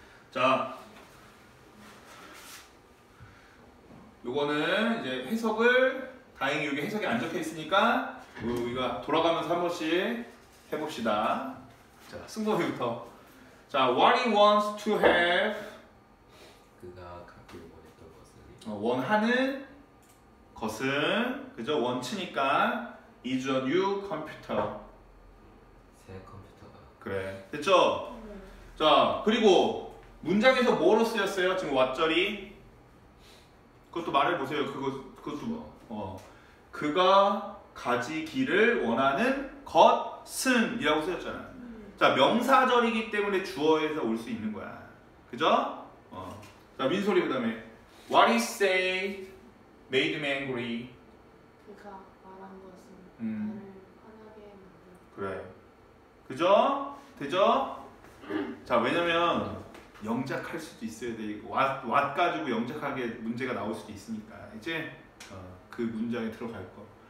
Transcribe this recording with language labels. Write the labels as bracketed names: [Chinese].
[Korean] 자, 요거는 이제 해석을, 다행히 여기 해석이 안 적혀 있으니까 우리가 돌아가면서 한 번씩 해봅시다. 자, 승범이부터. 자, [English] what he wants to have. [Korean] 그가 갖기를 원했던 것은. 원하는 것은, 그죠? 원치니까 [English] is a new computer. [Korean] 새 컴퓨터가. 그래, 됐죠? 자, 그리고 문장에서 뭐로 쓰였어요? 지금 왓절이 그것도 말해보세요. 그것도 뭐? 그가 가지기를 원하는 것은 이라고 쓰였잖아. 자, 명사절이기 때문에 주어에서 올 수 있는 거야. 그죠? 자, 민소리 그 다음에 [English] What he said made me angry. [Korean] 그가 말한 것은 나를 화나게 만들었다. 그래, 그죠? 되죠? 자, 왜냐면 영작할 수도 있어야 되고 왓 가지고 영작하게 문제가 나올 수도 있으니까 이제 그 문장에 들어갈 거.